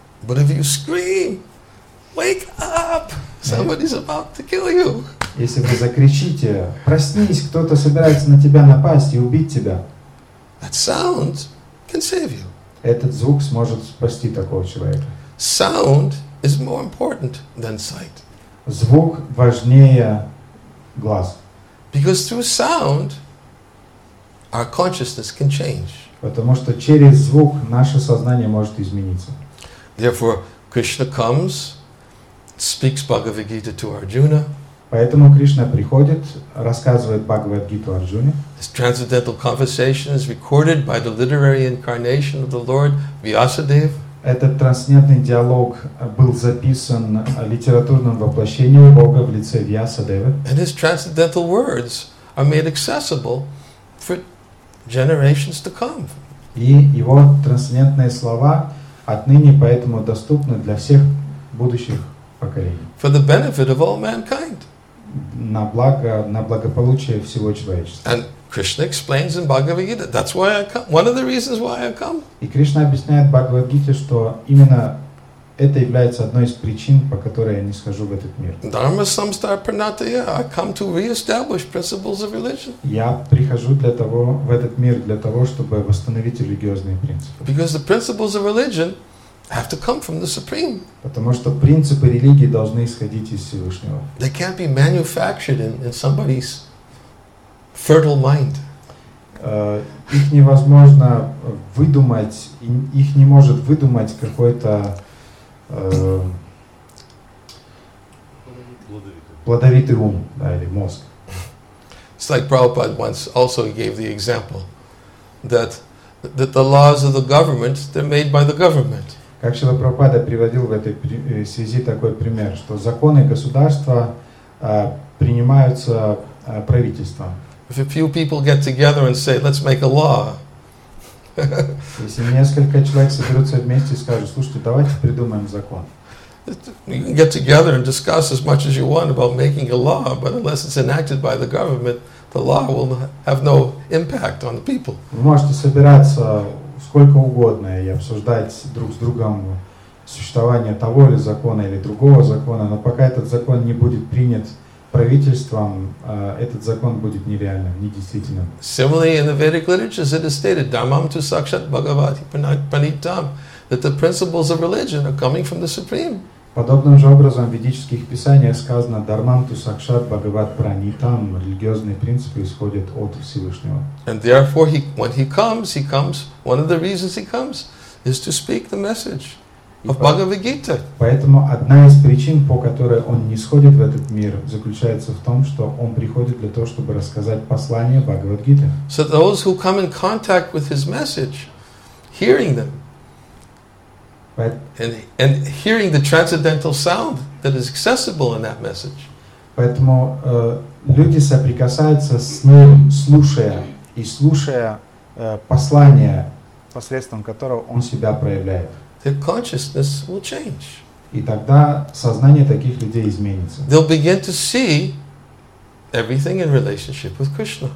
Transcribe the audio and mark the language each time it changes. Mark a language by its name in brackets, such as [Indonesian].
[English] But if you scream, wake up, somebody's about to kill you, [Russian] если вы закричите, проснись, кто-то собирается на тебя напасть и убить тебя, [English] that sound can save you. [Russian] Этот звук сможет спасти такого человека. [English] Sound is more important than sight. [Russian] Звук важнее глаз. [English] Because through sound, our consciousness can change. [Russian] Потому что через звук наше сознание может измениться. [English] Therefore, Krishna comes, speaks Bhagavad Gita to Arjuna. [Russian] Поэтому Кришна приходит, рассказывает Бхагавад-гиту Арджуне. [English] His transcendental conversation is recorded by the literary incarnation of the Lord Vyasadev. [Russian] Этот трансцендентный диалог был записан литературным воплощением Бога в лице Вьясадевы. [English] And his transcendental words are made accessible for generations to come. [Russian] И его трансцендентные слова отныне поэтому доступны для всех будущих поколений. [English] For the benefit of all mankind. [Russian] На благо, на благополучие всего человечества. [English] And Krishna explains in Bhagavad Gita, that's why I come. One of the reasons why I come. [Russian] И Кришна объясняет в Бхагавад Гите, что именно это является одной из причин, по которой я не схожу в этот мир. [Sanskrit] Dharma samstar pranataya, [English] I come to re-establish principles of religion. [Russian] Я прихожу для того в этот мир для того, чтобы восстановить религиозные принципы. [English] Because the principles of religion have to come from the Supreme. [Russian] Потому что принципы религии должны исходить из Всевышнего. [English] They can't be manufactured in somebody's fertile mind. [Russian] Их невозможно выдумать, их не может выдумать какой-то плодовитый ум, да, или мозг. [English] It's like Prabhupada once also gave the example that the laws of the government, they're made by the government. [Russian] Как Шрила Прабхупада приводил в этой связи такой пример, что законы государства принимаются правительством. [English] If a few people get together and say, let's make a law. [Russian] Если несколько человек соберутся вместе и скажут, слушайте, давайте придумаем закон. [English] You can get together and discuss as much as you want about making a law, but unless it's enacted by the government, the law will have no impact on the people. [Russian] Вы можете собираться сколько угодно и обсуждать друг с другом существование того или закона или другого закона, но пока этот закон не будет принят правительством, этот закон будет нереальным, недействительным. [English] Similarly, in the Vedic literatures, it is stated, [Sanskrit] "Dhammam tu sakshat bhagavati panitam," [English] that the principles of religion are coming from the Supreme. [Russian] Подобным же образом в ведических писаниях сказано, [Sanskrit] "Dharmam tu sakshat bhagavat pranitam," [Russian] религиозные принципы исходят от Всевышнего. [English] And therefore, when he comes, one of the reasons he comes is to speak the message. of Bhagavad Gita. [Russian] Поэтому одна из причин, по которой он не сходит в этот мир, заключается в том, что он приходит для того, чтобы рассказать послание Бхагавад Гиты. [English] So those who come in contact with his message, hearing them, and hearing the transcendental sound that is accessible in that message. [Russian] Поэтому люди соприкасаются с ним, слушая и слушая послание, посредством которого он себя проявляет. [English] Their consciousness will change. [Russian] И тогда сознание таких людей изменится. [English] They'll begin to see everything in relationship with Krishna.